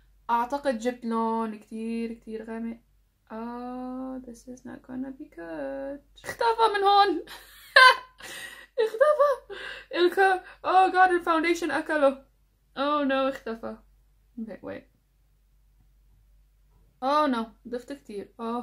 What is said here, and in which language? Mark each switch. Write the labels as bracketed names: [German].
[Arabic] اعتقد جبت لون كتير كتير غامق. [English] this is not gonna be good. [Arabic] اختفى من هون. اختفى الك. [English] oh god، [Arabic] الفاونديشن اكله. [English] oh no، اختفى. okay wait. oh no، [Arabic] ضفت كتير.